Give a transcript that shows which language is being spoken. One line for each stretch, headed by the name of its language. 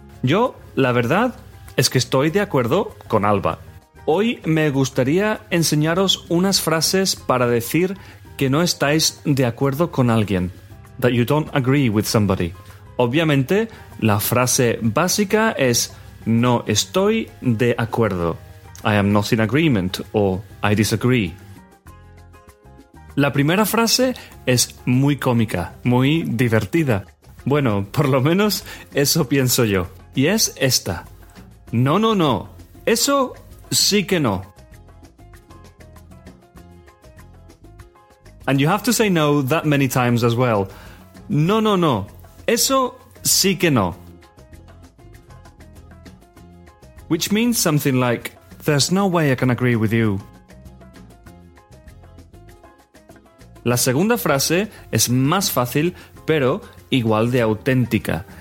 Spanish: Yo, la verdad, es que estoy de acuerdo con Alba. Hoy me gustaría enseñaros unas frases para decir que no estáis de acuerdo con alguien.
English: That you don't agree with somebody.
Spanish: Obviamente, la frase básica es no estoy de acuerdo.
English: I am not in agreement o I disagree.
Spanish: La primera frase es muy cómica, muy divertida. Bueno, por lo menos eso pienso yo. Y es esta. No, no, no. Eso sí que no.
English: And you have to say no that many times as well. No, no, no.
Spanish: Eso sí que no.
English: Which means something like, there's no way I can agree with you.
Spanish: La segunda frase es más fácil, pero igual de auténtica.